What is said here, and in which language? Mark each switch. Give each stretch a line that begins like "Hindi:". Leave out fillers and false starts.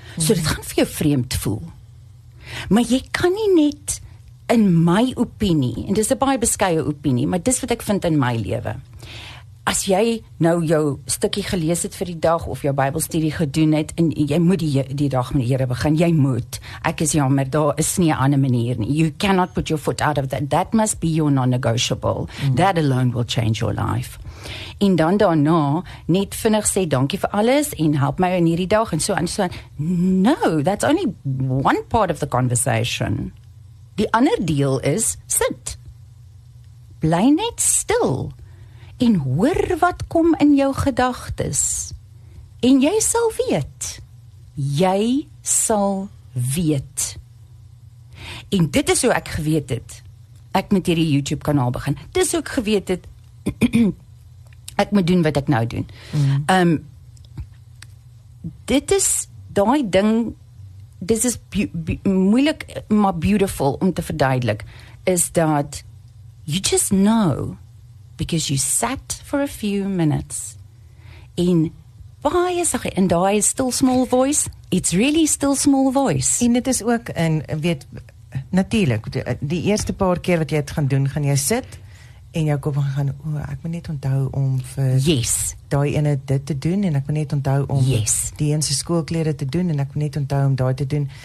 Afrikaans: So dit gaan vir jou vreemd voel. Maar jy kan nie net, in my opinie, en dis 'n baie beskeie opinie, maar dis wat ek vind in my lewe. As jy nou jou stukkie gelees het vir die dag of jou Bybelstudie gedoen het en jy moet die dag met die Here begin, jy moet. Ek is jammer, daar is nie 'n ander manier nie.
English: You cannot put your foot out of that. That must be your non-negotiable. Mm. That alone will change your life.
Afrikaans: En dan daarna net vinnig sê dankie vir alles en help my in hierdie dag en so aan so aan.
English: No, that's only one part of the conversation.
Afrikaans: Die ander deel is sit. Bly net stil. En hoor wat kom in jou gedagtes. En jy sal weet. Jy sal weet. En dit is hoe ek geweet het. Ek moet hierdie YouTube kanaal begin. Dis hoe ek geweet het. Ek moet doen wat ek nou doen. Mm-hmm. Dit is daai ding. Dis is moeilik, maar beautiful om te verduidelik. Is dat
English: you just know. Because you sat for a few minutes in
Afrikaans: baie sagie en daai
English: still small voice, it's really still small voice.
Afrikaans: En dit is ook in weet natuurlik die eerste paar keer wat jy dit gaan doen, gaan jy sit en jou kop gaan ek moet net onthou om vir
English: yes,
Afrikaans: daai ene dit te doen en ek moet net onthou om
English: yes,
Afrikaans: die een se skoolklere te doen en ek moet net onthou om daai te doen.